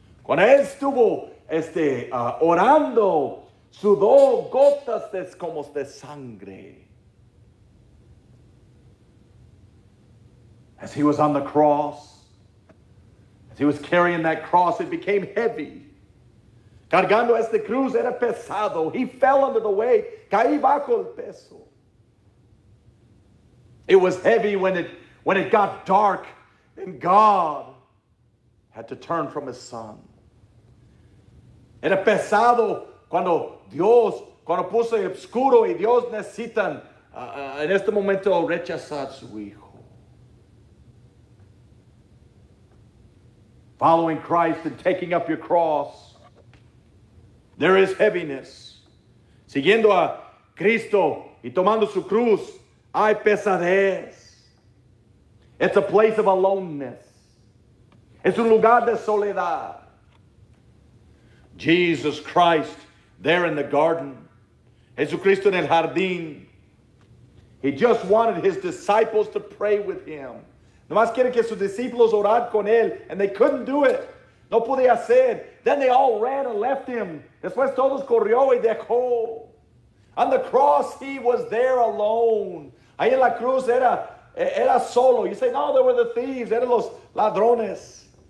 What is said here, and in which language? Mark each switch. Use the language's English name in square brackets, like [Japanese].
[Spanish] Cuando él estuvo orando, sudó gotas de, como de sangre. [English] As he was on the cross, as he was carrying that cross, it became heavy. [Spanish] Cargando este cruz era pesado. [English] He fell under the weight. [Spanish] Caí bajo el peso. [English] It was heavy when it got dark and God had to turn from his son. [Spanish] Era pesado cuando Dios, cuando puso oscuro y Dios necesitan en este momento rechazar su hijo. [English] Following Christ and taking up your cross, there is heaviness. [Spanish] Siguiendo a Cristo y tomando su cruz, hay pesadez. [English] It's a place of aloneness. [Spanish] Es un lugar de soledad. [English] Jesus Christ, there in the garden. [Spanish] Jesucristo en el jardín. [English] He just wanted his disciples to pray with him. [Spanish] Nomás quiere que sus discípulos oraran con él. [English] And they couldn't do it. [Spanish] No podía hacer. [English] Then they all ran and left him. [Spanish] Después todos corrió y dejó. [English] On the cross, he was there alone. [Spanish] Ahí en la cruz era solo. [English] You say, no, there were the thieves. [Spanish] Eran los ladrones.